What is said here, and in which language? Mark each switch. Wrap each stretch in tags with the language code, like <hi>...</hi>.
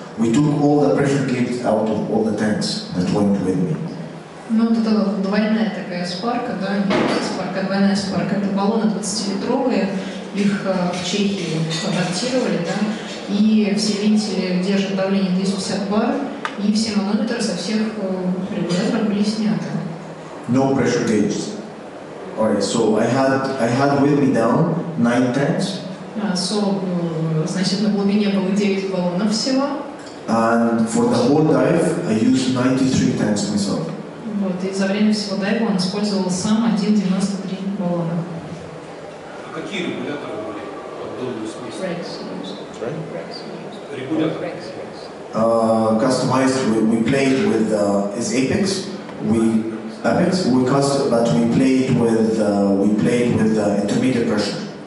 <en>We took all the pressure gauges out of all the tanks that went with me.</en> <ru>Ну, вот это двойная такая спарка, да, не спарка, а двойная спарка. Это баллоны 20-литровые, их в Чехии адаптировали, да, и все вентили держат давление 250 бар, и все манометры со всех регуляторов были сняты.</ru> <en>No pressure gauges. All right, so I had with me down 9 tanks.</en> <ru>So, значит, на глубине было 9 баллонов всего.</ru> <en>And for the whole dive, I used 93 tanks myself.</en> <ru>Вот, и за время всего дайва он использовал сам 1,93 баллона. А какие регуляторы были под долгую смесь?</ru> <en>Регуляторы. Customized, we played with his Apex. We played with intermediate pressure.</en>